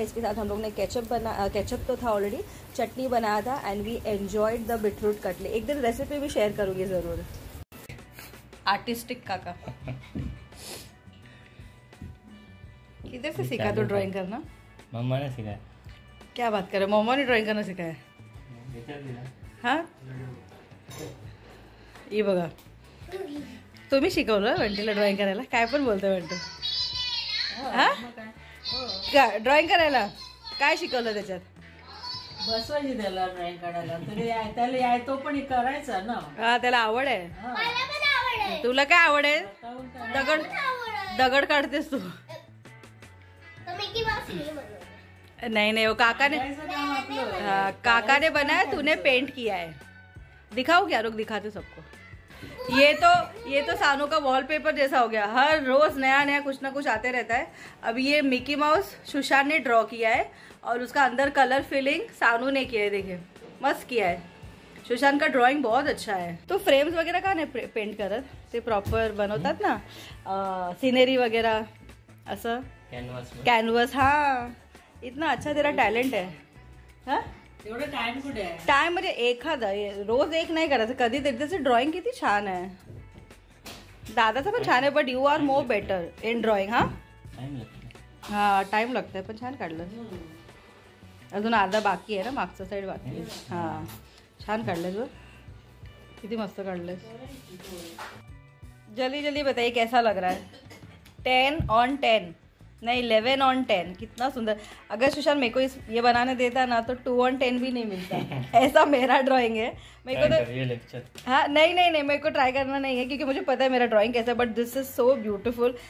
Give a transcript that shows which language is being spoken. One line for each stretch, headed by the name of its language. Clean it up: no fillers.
Hindi: इसके साथ हम लोग ने केचप तो था ऑलरेडी, चटनी बनाया था
English: And we enjoyed the beetroot cutlet.
Hindi: एक दिन रेसिपी भी शेयर करूँगी ज़रूर, आर्टिस्टिक काका। किधर से सीखा तो ड्राइंग करना? मम्मा ने सिखाया। क्या बात करे, मम्मा ने ड्राइंग करना सिखाया?
Marathi: ये बघा, तुम्ही शिकवलं वंटीला ड्रॉइंग करायला? काय पण बोलतोय वंटू, हां ड्रॉइंग करायला काय शिकवलं त्याच्यात? बसवायची त्याला ड्रॉइंग काढायला, त्याला यायतो पण करायचं ना। हा त्याला आवड आहे। मला पण आवड आहे। तुला काय आवड आहे? दगड दगड काढतेस तू? नाही नाही,
Hindi: काकाने काकाने बनाया, तूने पेंट किया है। दिखाओ क्या, रुक दिखाते सबको। ये तो सानू का वॉलपेपर जैसा हो गया, हर रोज नया नया कुछ ना कुछ आते रहता है। अब ये मिकी माउस सुशान ने ड्रॉ किया है और उसका अंदर कलर फिलिंग सानू ने किया है। देखे मस्त किया है, सुशान का ड्रॉइंग बहुत अच्छा है।
Marathi: तो फ्रेम्स वगैरह कहाँ ने पेंट करत, ते प्रॉपर बनवतात ना सीनेरी वगैरह असं कॅनव्हस कॅनव्हस।
Hindi: हाँ, इतना अच्छा तेरा टैलेंट है।
Marathi: टाइम म्हणजे एखादा, रोज एक नाही करायचं, कधी त्याचं ड्रॉइंग किती छान आहे। दादाचं पण छान आहे,
English: But you are more better in drawing.
Marathi: हा हा, टाइम लागतंय पण छान काढलं। अजून अर्धा बाकी आहे ना, मागचा साइड बाकी आहे। हा छान काढलं, तू किती मस्त काढलं।
Hindi: जल्दी जल्दी बताइए कैसा लग रहा है? 10/10 नहीं, 11/10, कितना सुंदर। अगर सुशांत मेरे को इस ये बनाने देता ना तो 2/10 भी नहीं मिलता। ऐसा मेरा ड्राइंग है, मेरे को तो ये लेक्चर। हाँ नहीं नहीं नहीं, मेरे को ट्राई करना नहीं है क्योंकि मुझे पता है मेरा ड्राइंग कैसा है,
English: But this is so beautiful.